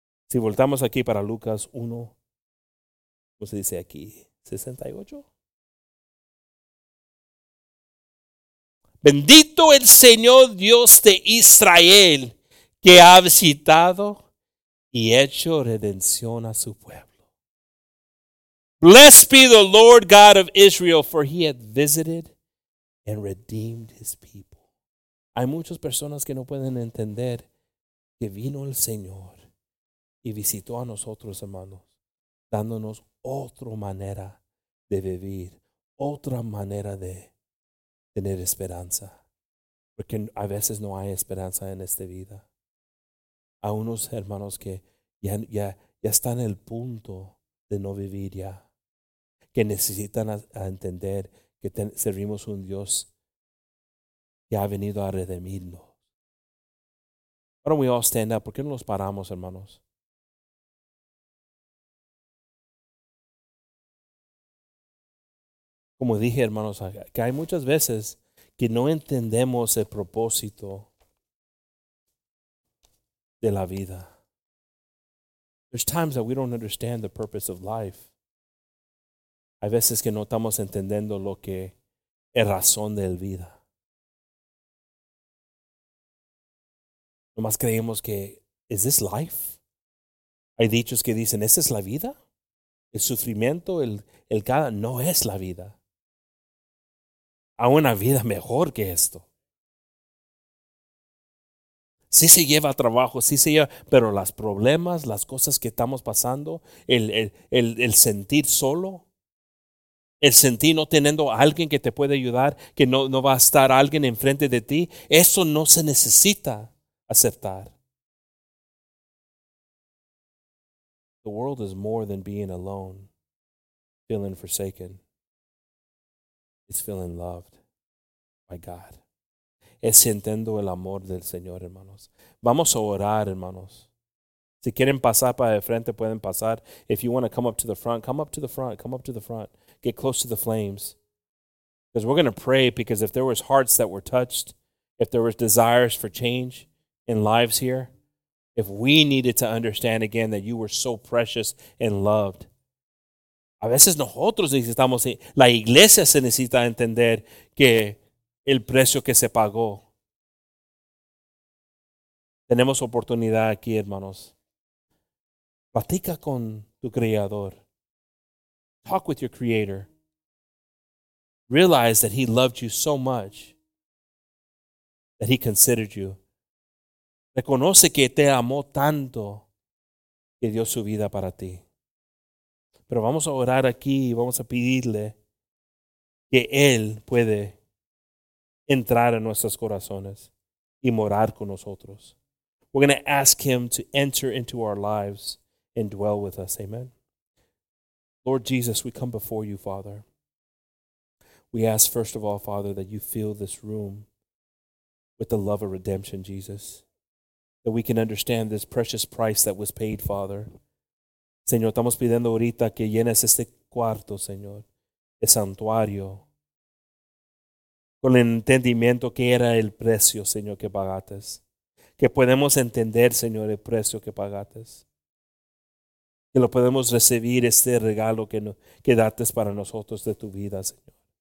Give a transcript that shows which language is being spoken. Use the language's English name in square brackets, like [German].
[Spanish] Si voltamos aquí para Lucas 1, ¿cómo se dice aquí? ¿68? Bendito el Señor Dios de Israel, que ha visitado y hecho redención a su pueblo. [English] Blessed be the Lord God of Israel, for he hath visited and redeemed his people. [Spanish] Hay muchas personas que no pueden entender que vino el Señor. Y visitó a nosotros, hermanos, dándonos otra manera de vivir, otra manera de tener esperanza. Porque a veces no hay esperanza en esta vida. A unos hermanos que ya están en el punto de no vivir ya, que necesitan a entender que servimos un Dios que ha venido a redimirnos. [English] Why don't we all stand up? [Spanish] ¿Por qué no nos paramos, hermanos? Como dije, hermanos, que hay muchas veces que no entendemos el propósito de la vida. [English] There's times that we don't understand the purpose of life. [Spanish] Hay veces que no estamos entendiendo lo que es razón de la vida. Nomás creemos que, [English] ¿is this life? [Spanish] Hay dichos que dicen, ¿esta es la vida? El sufrimiento, el cada, no es la vida. A una vida mejor que esto. Sí se lleva trabajo, sí se lleva, pero los problemas, las cosas que estamos pasando, el sentir solo, el sentir no teniendo alguien que te puede ayudar, que no va a estar alguien enfrente de ti, eso no se necesita aceptar. [English] The world is more than being alone, feeling forsaken. It's feeling loved by God. [Spanish] Es sintiendo el amor del Señor, hermanos. Vamos a orar, hermanos. Si quieren pasar para el frente, pueden pasar. [English] If you want to come up to the front, come up to the front. Come up to the front. Get close to the flames. Because we're going to pray, because if there was hearts that were touched, if there was desires for change in lives here, if we needed to understand again that you were so precious and loved. [Spanish] A veces nosotros necesitamos, la iglesia se necesita entender que el precio que se pagó. Tenemos oportunidad aquí, hermanos. Platica con tu creador. [English] Talk with your creator. Realize that he loved you so much that he considered you. [Spanish] Reconoce que te amó tanto que dio su vida para ti. Pero vamos a orar aquí y vamos a pedirle que Él puede entrar en nuestros corazones y morar con nosotros. [English] We're going to ask him to enter into our lives and dwell with us. Amen. Lord Jesus, we come before you, Father. We ask, first of all, Father, that you fill this room with the love of redemption, Jesus, that we can understand this precious price that was paid, Father. [Spanish] Señor, estamos pidiendo ahorita que llenes este cuarto, Señor, el santuario, con el entendimiento que era el precio, Señor, que pagaste. Que podemos entender, Señor, el precio que pagaste. Que lo podemos recibir este regalo que, no, que dates para nosotros de tu vida, Señor.